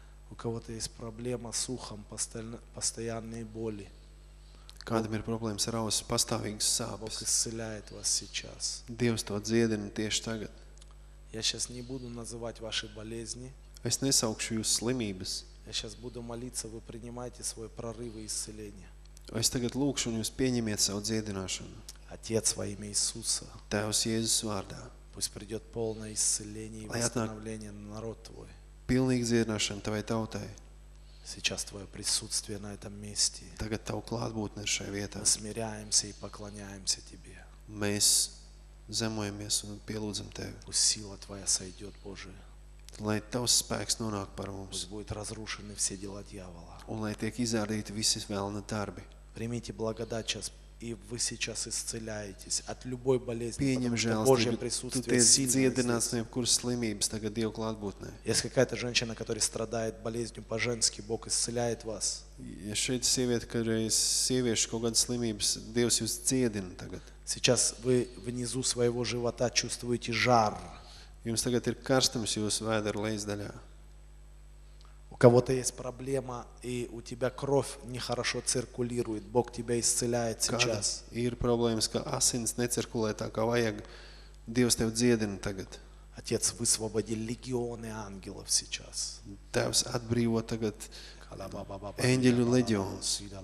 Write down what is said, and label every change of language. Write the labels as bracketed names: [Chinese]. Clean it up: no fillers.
[Russian] У кого-то есть проблема с ухом, постоянные боли. [Latvian] Kādam ir problēmas ar ausi, pastāvīgas sāpes. [Russian] Бог исцеляет вас сейчас. [Latvian] Dievs to dziedina tieši tagad. [Russian] Я сейчас не буду называть ваши болезни. [Latvian] Es nesaukšu jūs slimības. [Russian] Я сейчас буду молиться, вы принимайте свой прорыв и исцеление. [Latvian] Es tagad lūkšu un jūs pieņemiet savu dziedināšanu. [Russian] Отец, во имя Иисуса. [Latvian] Tevs Jēzus vārdā. [Russian] Пусть придет полное исцеление и восстановление на народ твой. [Latvian] Pilnīga dziedināšana tavai tautai. [Russian] Сейчас твое присутствие на этом месте. [Latvian] Tagad tavu klātbūtni ir šajā vietā. [Russian] Мы смиряемся и поклоняемся тебе. [Latvian] Mēs zemojamies un pielūdzam tevi. [Russian] Пусть сила твоя сойдет, Боже. [Latvian] Lai tavs spēks nonāk par mums. [Russian] Пусть будут разрушены все дела дьявола. [Latvian] Un lai tiek izārdīti visi velna darbi. [Russian] Примите благодать сейчас, и вы сейчас исцеляетесь от любой болезни. [Latvian] Pieņem [Russian] жалость, [Latvian] tu tiesi dziedināts no jebkuras slimības tagad Dieva klātbūtnē. [Russian] Если какая-то женщина, которая страдает болезнью по-женски, Бог исцеляет вас. [Latvian] Ja šeit sieviete, kurai sievieša kaut kādas slimības, Dievs jūs dziedina tagad. [Russian] Сейчас вы внизу своего живота чувствуете жар. [Latvian] Jums tagad ir karstums jūsu vēdera lejasdaļā. [Russian] У кого-то есть проблема, и у тебя кровь нехорошо циркулирует. Бог тебя исцеляет сейчас. [Latvian] Ir problēmas, ka asins necirkulē tā, kā vajag. Dievs tevi dziedina tagad. [Russian] Отец, высвободи легионы ангелов сейчас. [Latvian] Tevs atbrīvo tagad eņģeļu leģions.